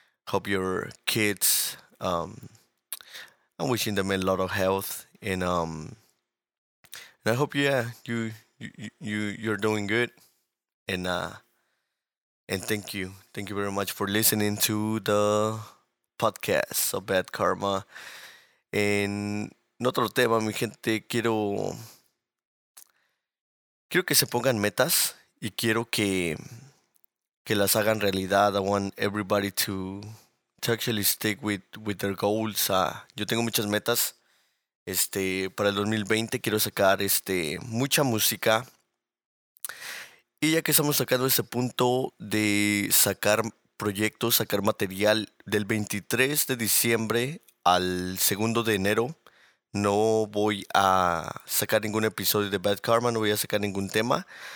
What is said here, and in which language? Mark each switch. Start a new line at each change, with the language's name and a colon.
English: Hope your kids, I'm wishing them a lot of health, and I hope you're doing good, and thank you very much for listening to the podcast of Bad Karma.
Spanish: En otro tema, mi gente, quiero que se pongan metas y quiero que las hagan realidad.
English: I want everybody to actually stick with their goals.
Spanish: Yo tengo muchas metas. Para el 2020 quiero sacar mucha música. Y ya que estamos sacando ese punto de sacar proyectos, sacar material del 23 de diciembre al 2 de enero, no voy a sacar ningún episodio de Bad Karma, no voy a sacar ningún tema.